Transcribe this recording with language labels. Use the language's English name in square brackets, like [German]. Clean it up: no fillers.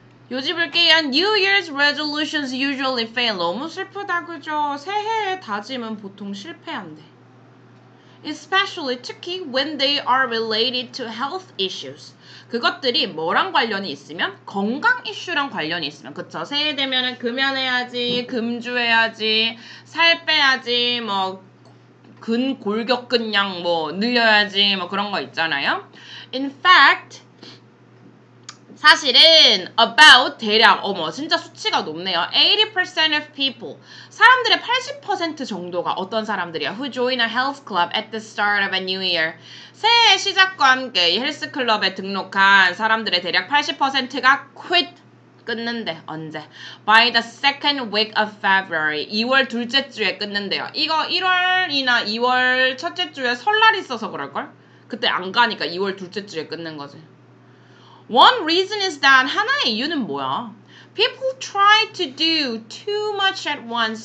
[Korean] 요지불게요. [English] New Year's resolutions usually fail. [Korean] 너무 슬프다, 그죠? 새해의 다짐은 보통 실패한대. [English] Especially, [Korean] 특히 [English] when they are related to health issues. [Korean] 그것들이 뭐랑 관련이 있으면? 건강 이슈랑 관련이 있으면. 그쵸? 새해 되면 금연해야지, 금주해야지, 살 빼야지, 뭐 골격근량 뭐 늘려야지, 뭐 그런 거 있잖아요. [English] In fact, [Korean] 사실은 [English] about [Korean] 대략 어머 진짜 수치가 높네요. [English] 80% of people. [Korean] 사람들의 80% 정도가 어떤 사람들이야? [English] Who join a health club at the start of a new year. [Korean] 새해 시작과 함께 헬스클럽에 등록한 사람들의 대략 80%가 quit. 끊는데 언제? [English] By the second week of February. [Korean] 2월 둘째 주에 끊는데요. 이거 1월이나 2월 첫째 주에 설날 있어서 그럴걸? 그때 안 가니까 2월 둘째 주에 끊는 거지. [English] One reason is that, [Korean] 하나의 이유는 뭐야? [English] People try to do too much at once.